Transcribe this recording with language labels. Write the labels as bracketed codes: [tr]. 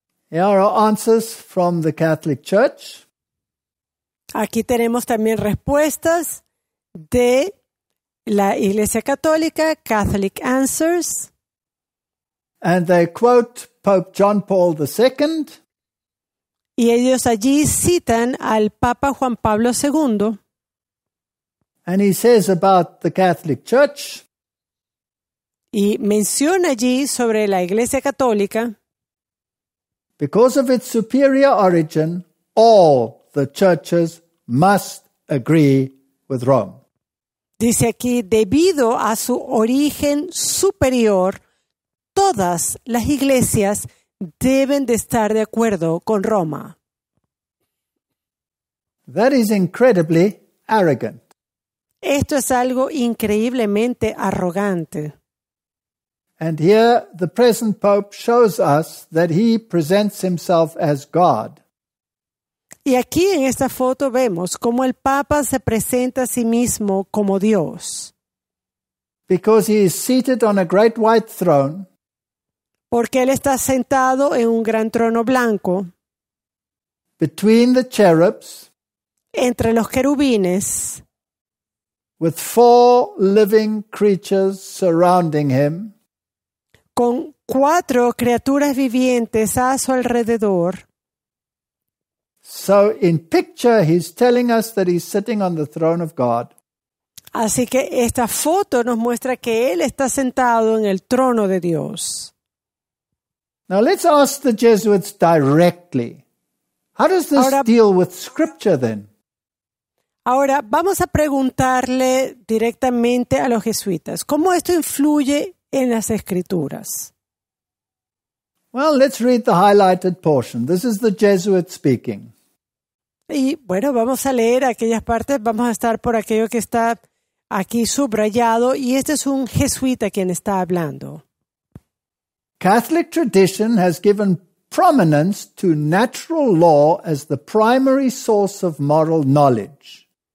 [en] Here are answers from the Catholic Church. [es] Aquí tenemos también respuestas de la Iglesia Católica, Catholic Answers. [en] And they quote Pope John Paul II. [es] Y ellos allí citan al Papa Juan Pablo II. [en] And he says about the Catholic Church. [es] Y menciona allí sobre la Iglesia Católica. [en] Because of its superior origin, all the churches must agree with Rome. [es] Dice aquí, debido a su origen superior, todas las iglesias deben de estar de acuerdo con Roma. [en] That is incredibly arrogant. [es] Esto es algo increíblemente arrogante. [en] And here the present Pope shows us that he presents himself as God. [es] Y aquí en esta foto vemos cómo el Papa se presenta a sí mismo como Dios. [en] Because he is seated on a great white throne. [es] Porque él está sentado en un gran trono blanco. [en] Between the cherubs. [es] Entre los querubines. [en] With four living creatures surrounding him. [es] Con cuatro criaturas vivientes a su alrededor. [en] So in picture he's telling us that he's sitting on the throne of God. [es] Así que esta foto nos muestra que él está sentado en el trono de Dios. [en] Now let's ask the Jesuits directly. How does this deal with scripture then? [es] Ahora vamos a preguntarle directamente a los jesuitas, ¿cómo esto influye en las escrituras? [en] Well, let's read the highlighted portion. This is the Jesuit speaking. [es] Y bueno, vamos a leer aquellas partes, vamos a estar por aquello que está aquí subrayado y este es un jesuita quien está hablando. [en] Catholic tradition has given prominence to natural law as the primary source of moral knowledge.